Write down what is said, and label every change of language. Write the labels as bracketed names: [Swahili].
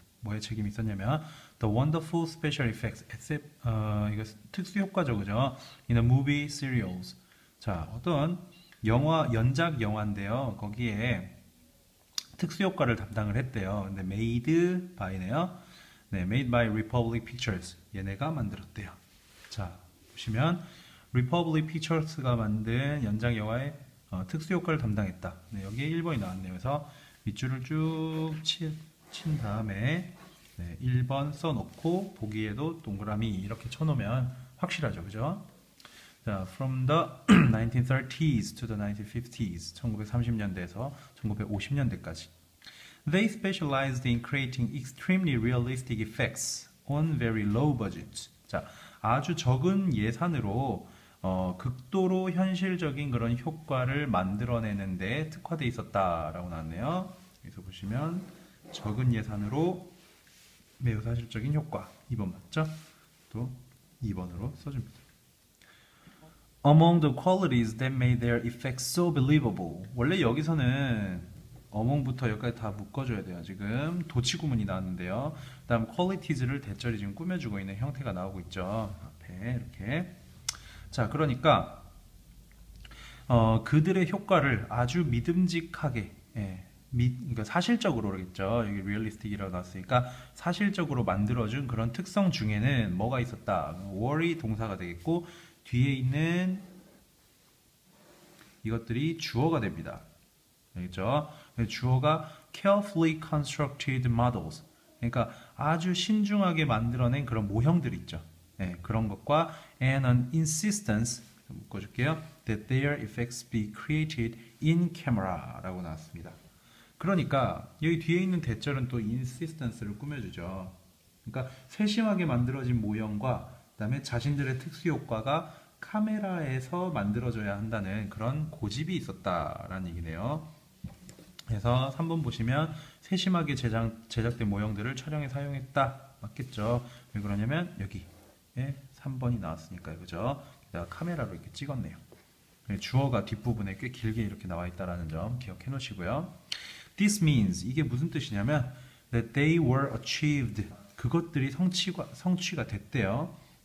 [Korean] 뭐에 책임이 있었냐면 [English] The wonderful special effects, [Korean] 이거 특수 효과죠, 그죠? [English] In a movie serials. [Korean] 자, 어떤 영화, 연작 영화인데요. 거기에 특수 효과를 담당을 했대요. 근데 made by네요. [English] 네, made by Republic Pictures. [Korean] 얘네가 만들었대요. 자, 보시면 Republic Pictures가 만든 연작 영화의 특수 효과를 담당했다. 네, 여기에 1번이 나왔네요. 그래서 밑줄을 쭉 친 다음에 네, 1번 써놓고 보기에도 동그라미 이렇게 쳐놓으면 확실하죠, 그죠? [English] 자, from the 1930s to the 1950s, [Korean] 1930년대에서 1950년대까지. [English] They specialized in creating extremely realistic effects on very low budget. [Korean] 자, 아주 적은 예산으로 극도로 현실적인 그런 효과를 만들어내는 데 특화돼 있었다라고 나왔네요. 여기서 보시면 적은 예산으로 매우 사실적인 효과. 2번 맞죠? 또 2번으로 써줍니다. [English] Among the qualities that made their effects so believable. [Korean] 원래 여기서는 among부터 여기까지 다 묶어줘야 돼요. 지금 도치구문이 나왔는데요. 그다음 qualities를 대절이 지금 꾸며주고 있는 형태가 나오고 있죠. 앞에 이렇게. 자, 그러니까 그들의 효과를 아주 믿음직하게 그러니까 사실적으로 그러겠죠. 여기 realistic이라고 나왔으니까 사실적으로 만들어준 그런 특성 중에는 뭐가 있었다? were 동사가 되겠고 뒤에 있는 이것들이 주어가 됩니다. 알겠죠? 주어가 [English] carefully constructed models. [Korean] 그러니까 아주 신중하게 만들어낸 그런 모형들 있죠. 네, 그런 것과 [English] and an insistence [Korean] 묶어줄게요. [English] that their effects be created in camera [Korean] 라고 나왔습니다. 그러니까 여기 뒤에 있는 대절은 또 insistence를 꾸며주죠. 그러니까 세심하게 만들어진 모형과 그다음에 자신들의 특수 효과가 카메라에서 만들어져야 한다는 그런 고집이 있었다라는 얘기네요. 그래서 3번 보시면 세심하게 제작된 모형들을 촬영에 사용했다. 맞겠죠? 왜 그러냐면 여기에 3번이 나왔으니까요. 그죠? 여기다가 카메라로 이렇게 찍었네요. 주어가 뒷부분에 꽤 길게 이렇게 나와 있다라는 점 기억해 놓으시고요. [English] This means [Korean] 이게 무슨 뜻이냐면 [English] that they were achieved. [Korean] 그것들이 성취가 됐대요.